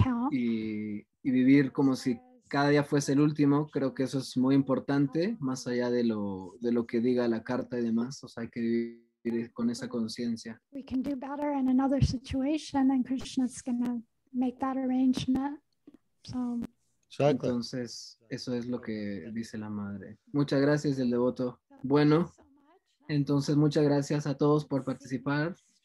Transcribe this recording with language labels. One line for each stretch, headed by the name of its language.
Spanish: Y vivir como si cada día fuese el último, creo que eso es muy importante, más allá de lo que diga la carta y demás. O sea, hay que vivir con esa conciencia.
English: We can do better in another situation, and Krishna's gonna make that arrangement. So.
Spanish: Entonces, eso es lo que dice la madre. Muchas gracias, el devoto. Bueno, entonces muchas gracias a todos por participar.